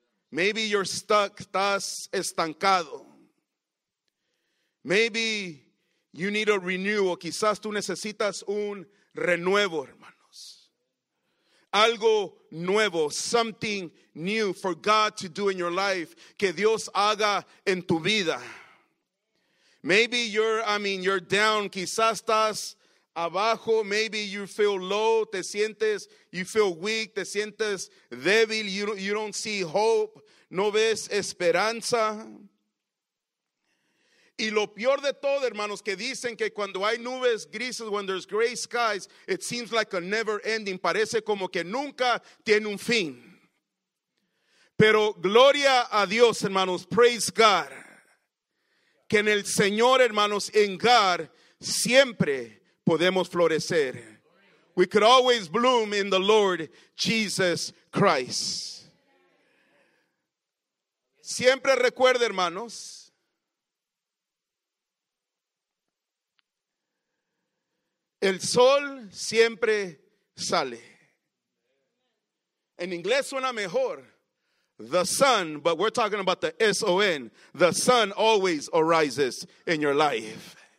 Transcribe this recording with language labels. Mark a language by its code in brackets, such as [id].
[en] Maybe you're stuck, [es] estás estancado. [en] Maybe you need a renewal. [es] Quizás tú necesitas un renuevo, hermanos. Algo nuevo, [en] something new for God to do in your life. [es] Que Dios haga en tu vida. [en] Maybe you're down. [es] Quizás estás abajo. [en] Maybe you feel low. You feel weak. [es] Te sientes débil. [en] You don't see hope. [es] No ves esperanza. Y lo peor de todo, hermanos, que dicen que cuando hay nubes grises, [en] when there's gray skies, it seems like a never ending. [es] Parece como que nunca tiene un fin. Pero gloria a Dios, hermanos, [en] praise God. [es] Que en el Señor, hermanos, en God, siempre podemos florecer. [en] We could always bloom in the Lord Jesus Christ. [es] Siempre recuerde, hermanos, el sol siempre sale. En inglés suena mejor, [en] the sun, but we're talking about the S-O-N, the sun always arises in your life.